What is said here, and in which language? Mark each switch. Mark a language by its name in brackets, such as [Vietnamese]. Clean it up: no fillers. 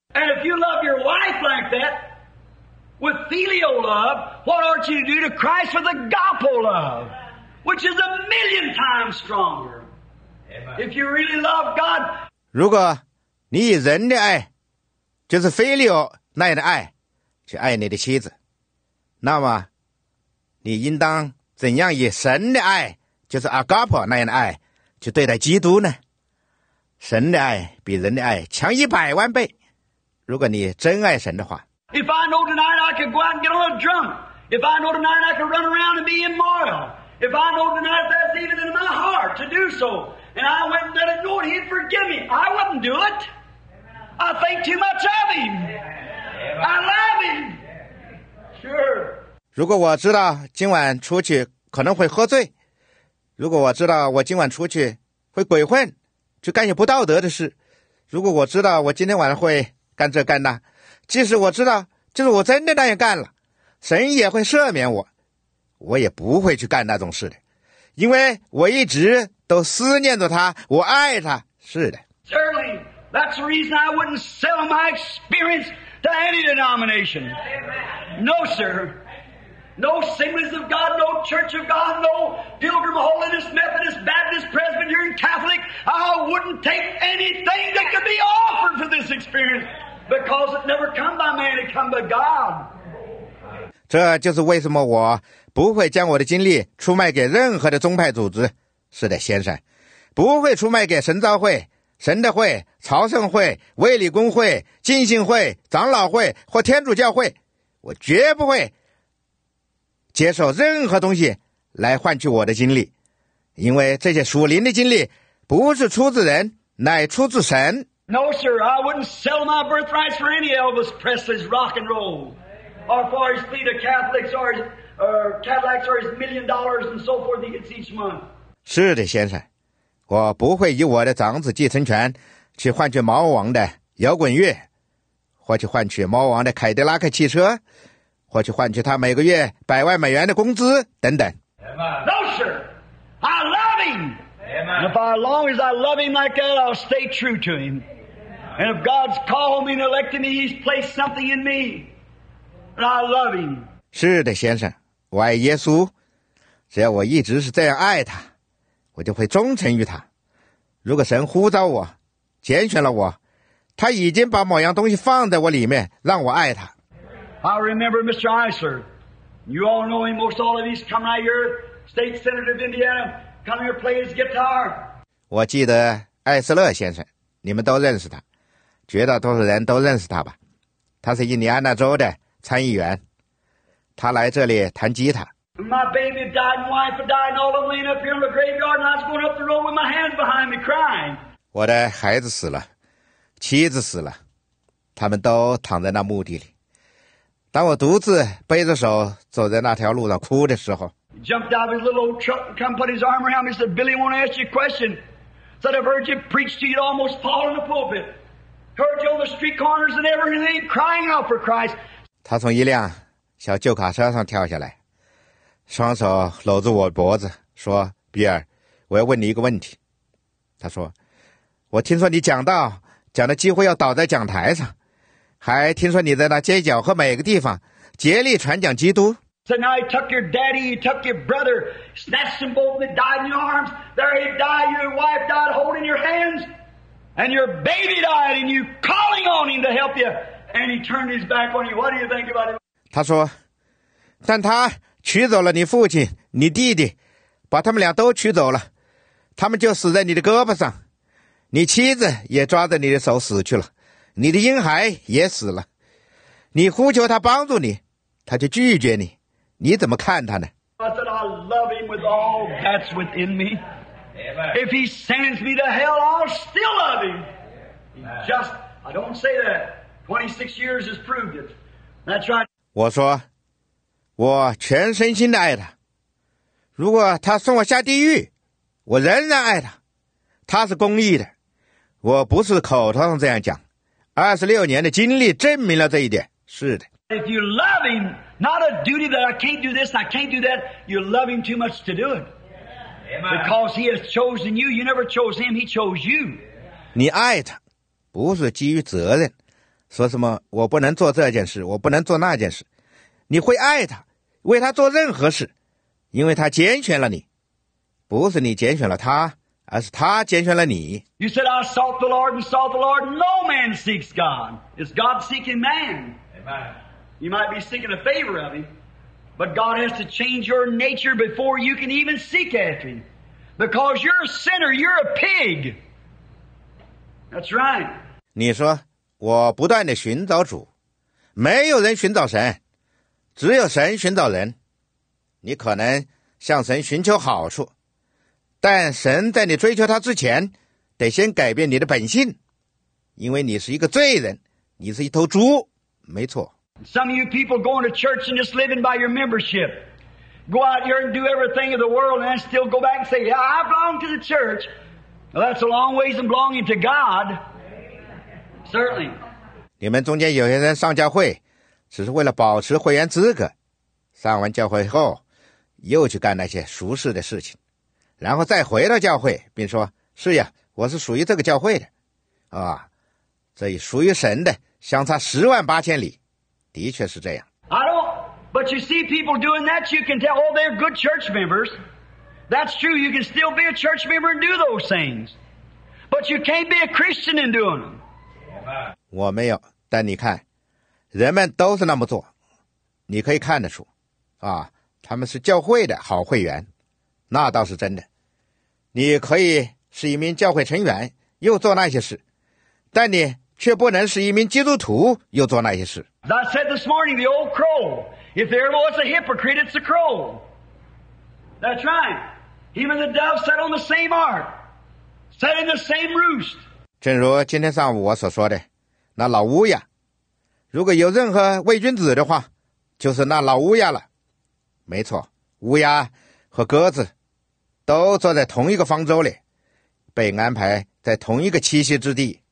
[English] And if you love your wife like with filial love, what ought you to do to Christ with agape love, which is a million times stronger? If you really love God, [Chinese] 如果你以人的爱，就是filial那样的爱，去爱你的妻子，那么你应当怎样以神的爱，就是agape那样的爱，去对待基督呢？神的爱比人的爱强100万倍。如果你真爱神的话 [English] ，If I know tonight I could go out and get a little drunk. If I know tonight I could run around and be immoral. If I know tonight that's even in my heart to do so, and I went and let it go, and He'd forgive me. I wouldn't do it. I think too much of Him. I love Him. Sure. [Chinese] 如果我知道今晚出去可能会喝醉，如果我知道我今晚出去会鬼混，去干些不道德的事，如果我知道我今天晚上会干这干那，即使我知道就是我真的那样干了，神也会赦免我，我也不会去干那种事的，因为我一直都思念着他，我爱他。是的， [English] Certainly, that's the reason I wouldn't sell my experience to any denomination. No, sir. No assemblies of God, no church of God, no pilgrim, holiness, Methodist, Baptist, Presbyterian, Catholic. I wouldn't take anything that could be offered for this experience, because it never come by man, it come by God. [Chinese] 这就是为什么我不会将我的经历出卖给任何的宗派组织。是的，先生，不会出卖给神召会、神的会、朝圣会、卫理公会、浸信会、长老会或天主教会。我绝不会接受任何东西来换取我的经历，因为这些属灵的经历不是出自人，乃出自神。 [English] No, sir, I wouldn't sell my birthrights for any Elvis Presley's rock and roll, or for his fleet of Catholics, or Cadillacs, or his $1 million and so forth he gets each month. [Chinese] 是的，先生，我不会以我的长子继承权去换取猫王的摇滚乐，或去换取猫王的凯迪拉克汽车，或去换取他每个月$100,000的工资等等。 [English] No, sir, I love him. Amen. If I, as long as I love him like that, I'll stay true to him. And if God's called me and elected me, He's placed something in me, and I love him. [Chinese] 是的，先生，我爱耶稣。只要我一直是这样爱他，我就会忠诚于他。如果神呼召我，拣选了我，他已经把某样东西放在我里面，让我爱他。 [English] I remember Mr. Eisler. You all know him, most all of you. He's come right here, state senator of Indiana, come here play his guitar. [Chinese] 我记得艾斯勒先生，你们都认识他，绝大多数人都认识他吧。他是印第安纳州的参议员，他来这里弹吉他。 [English] My baby died and wife died and all of them laying up here in the graveyard and I was going up the road with my hands behind me crying. [Chinese] 我的孩子死了，妻子死了，他们都躺在那墓地里。当我独自背着手走在那条路上哭的时候 [English] ，He jumped out of his little old truck and come put his arm around me. He said, "Billy, I want to ask you a question. Said I've heard you preach to you almost fall in the pulpit. Heard you on the street corners and everything crying out for Christ." [Chinese] 他从一辆小旧卡车上跳下来，双手搂住我脖子说：“比尔，我要问你一个问题。” 他说：“我听说你讲道讲的几乎要倒在讲台上。” 还听说你在那街角和每个地方竭力传讲基督。 [English] So now he took your daddy, he took your brother, snatched them both and died in your arms. There he died, your wife died holding your hands, and your baby died, and you calling on him to help you, and he turned his back on you. What do you think about it? [Chinese] 他说，但他娶走了你父亲、你弟弟，把他们俩都娶走了，他们就死在你的胳膊上，你妻子也抓着你的手死去了。你的婴孩也死了，你呼求他帮助你，他就拒绝你，你怎么看他呢？ [English] I said, I love him with all that's within me. If he sends me to hell, I'll still love him. Just, I don't say that. 26 years has proved it. That's right. [Chinese] 我说，我全身心的爱他。如果他送我下地狱，我仍然爱他。他是公义的，我不是口头上这样讲。 26年的经历证明了这一点。是的。 [English] If you love him, not a duty that I can't do this, I can't do that, you love him too much to do it. Because he has chosen you, you never chose him, he chose you. [Chinese] 你爱他，不是基于责任，说什么我不能做这件事，我不能做那件事，你会爱他，为他做任何事，因为他拣选了你，不是你拣选了他，而是他拣选了你。 [English] You said, I sought the Lord and saw the Lord. No man seeks God. It's God seeking man. Amen. You might be seeking a favor of him, but God has to change your nature before you can even seek after him. Because you're a sinner, you're a pig. That's right. [Chinese] 你说，我不断地寻找主，没有人寻找神，只有神寻找人。你可能向神寻求好处，但神在你追求他之前，得先改变你的本性，因为你是一个罪人，你是一头猪，没错。 [English] Some of you people going to church and just living by your membership, go out here and do everything of the world and still go back and say, "Yeah, I belong to the church." Well, that's a long ways from belonging to God. Certainly. [Chinese] 你们中间有些人上教会，只是为了保持会员资格，上完教会后，又去干那些俗世的事情。然后再回到教会并说，是呀，我是属于这个教会的啊，这与属于神的相差十万八千里，的确是这样。 [English] I don't, but you see people doing that, you can tell, oh, they're good church members. That's true, you can still be a church member and do those things, but you can't be a Christian and doing them. [Chinese] 我没有，但你看人们都是那么做，你可以看得出啊，他们是教会的好会员，那倒是真的。你可以是一名教会成员又做那些事，但你却不能是一名基督徒又做那些事。 [English] I said this morning, the old crow, if there was a hypocrite, it's a crow. That's right. Even the dove sat on the same ark, sat in the same roost. [Chinese] 正如今天上午我所说的，那老乌鸦，如果有任何伪君子的话，就是那老乌鸦了。没错，乌鸦和鸽子都坐在同一个方舟里，被安排在同一个栖息之地。